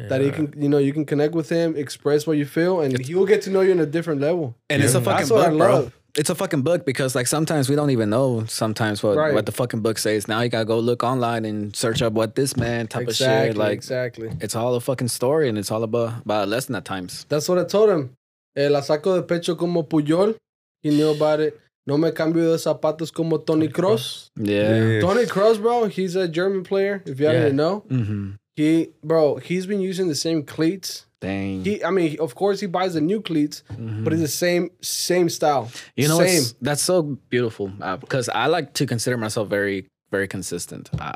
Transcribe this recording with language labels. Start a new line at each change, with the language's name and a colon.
English: That you can, you know, you can connect with him, express what you feel, and he will get to know you on a different level. And it's a fucking book, bro. It's a fucking book because, like, sometimes we don't even know sometimes what the fucking book says. Now you gotta go look online and search up what this man type exactly, of shit. Like, exactly. It's all a fucking story and it's all about a lesson at times. That's what I told him.
Spanish: La saco de pecho como Puyol.
English: He knew about it.
Spanish: No me cambio de zapatos como Toni Kroos.
English: Yeah. Toni Kroos, bro, he's a German player, if you didn't know. Mm-hmm. He's been using the same cleats. Dang. Of course, he buys the new cleats, mm-hmm. but it's the same style. You know, same. That's so beautiful because I like to consider myself very, very consistent.